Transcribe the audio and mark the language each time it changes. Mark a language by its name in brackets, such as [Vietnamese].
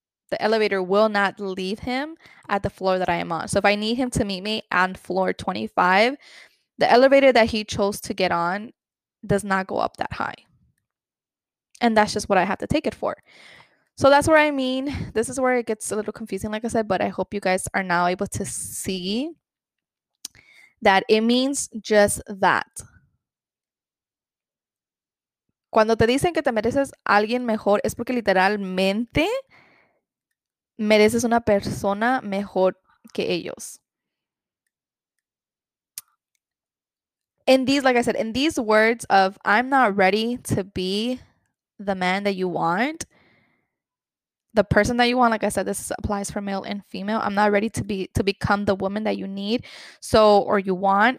[English] The elevator will not leave him at the floor that I am on. So if I need him to meet me on floor 25, the elevator that he chose to get on does not go up that high. And that's just what I have to take it for. So that's where I mean, this is where it gets a little confusing, like I said, but I hope you guys are now able to see that it means just that. [Spanish] Cuando te dicen que te mereces alguien mejor, es porque literalmente mereces una persona mejor que ellos. [English] In these, like I said, in these words of I'm not ready to be the man that you want, the person that you want, like I said, this applies for male and female. I'm not ready to become the woman that you need, so or you want.